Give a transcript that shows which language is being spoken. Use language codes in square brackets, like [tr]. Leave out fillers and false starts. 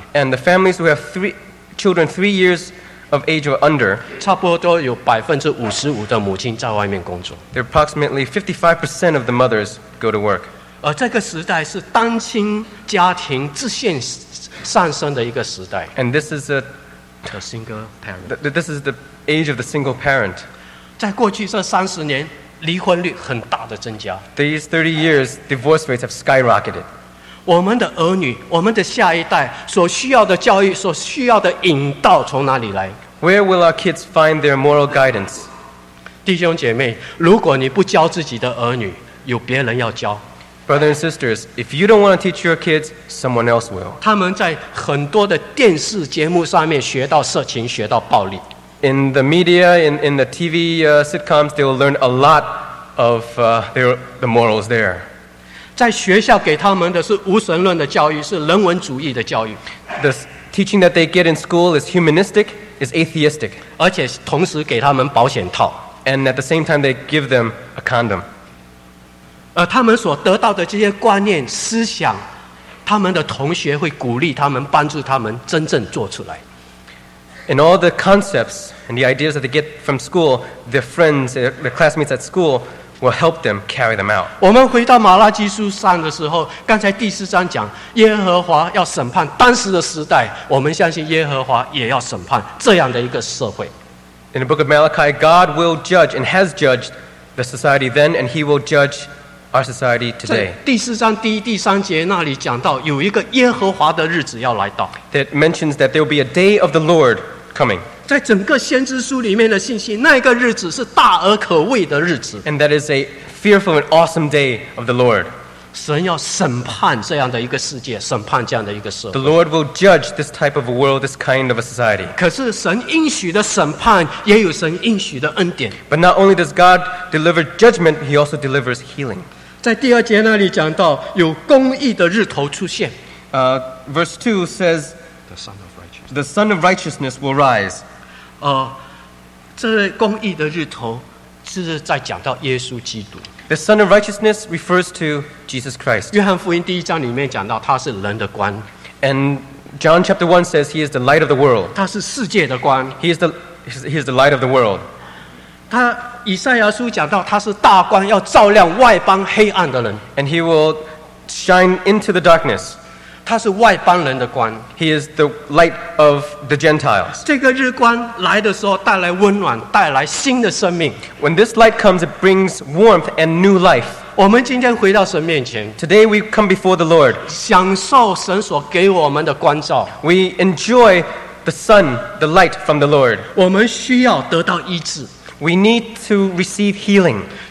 [en] and the families who have children three years of age or under, [zh] 差不多有55%的母亲在外面工作。 [en] There are approximately 55% of the mothers go to work. [zh] 这个时代是单亲家庭直线上升的一个时代。 [en] And this is the single parent. This is the age of the single parent. [zh] 在过去这30年, 离婚率很大的增加。 [en] These 30 years, divorce rates have skyrocketed. [zh] 我们的儿女, 我们的下一代, 所需要的教育, 所需要的引导从哪里来? [en] Where will our kids find their moral guidance? [zh] 弟兄姐妹, 如果你不教自己的儿女, 有别人要教。 [en] Brothers and sisters, if you don't want to teach your kids, someone else will. [zh] 他们在很多的电视节目上面学到色情, 学到暴力。 [en] In the media, in the TV sitcoms, they will learn a lot of the morals there. [zh] 在学校给他们的是无神论的教育, 是人文主义的教育。 [en] The teaching that they get in school is humanistic, is atheistic. [zh] 而且同时给他们保险套。 [en] And at the same time, they give them a condom. [zh] 他们所得到的这些观念思想, 他们的同学会鼓励他们帮助他们真正做出来。 [en] And all the concepts and the ideas that they get from school, their friends, their classmates at school will help them carry them out. [zh] 我们回到马拉基书上的时候, 刚才第4章讲, 耶和华要审判当时的时代, 我们相信耶和华也要审判, 这样的一个社会。 [en] In the book of Malachi, God will judge and has judged the society then, and he will judge our society today. [zh] 第4章第1、第3节那里讲到, 有一个耶和华的日子要来到。 [en] That mentions that there will be a day of the Lord coming. [zh] 在整个先知书里面的信息, 那个日子是大而可畏的日子。 [en] And that is a fearful and awesome day of the Lord. [zh] 神要审判这样的一个世界, 审判这样的一个社会。 [en] The Lord will judge this type of world, this kind of a society. [zh] 可是神应许的审判, 也有神应许的恩典。 [en] But not only does God deliver judgment, he also delivers healing. [zh] 在第2节那里讲到, 有公义的日头出现。 [en] Verse 2 says, the Son of Righteousness will rise. [zh] 这公义的日头是在讲到耶稣基督。 [en] The Son of Righteousness refers to Jesus Christ. [zh] 约翰福音第一章里面讲到他是人的光。 [en] And John chapter 1 says he is the light of the world. [zh] 他是世界的光。 [en] He is the light of the world. [zh] 以赛亚书讲到他是大光，要照亮外邦黑暗的人。 [en] And he will shine into the darkness. [zh] 他是外邦人的光。 [en] He is the light of the Gentiles. [zh] 这个日光来的时候带来温暖，带来新的生命。 [en] When this light comes, it brings warmth and new life. [zh] 我们今天回到神面前。 [en] Today we come before the Lord. [zh] 享受神所给我们的光照。 [en] We enjoy the sun, the light from the Lord. [zh] 我们需要得到医治。 [en] We need to receive healing.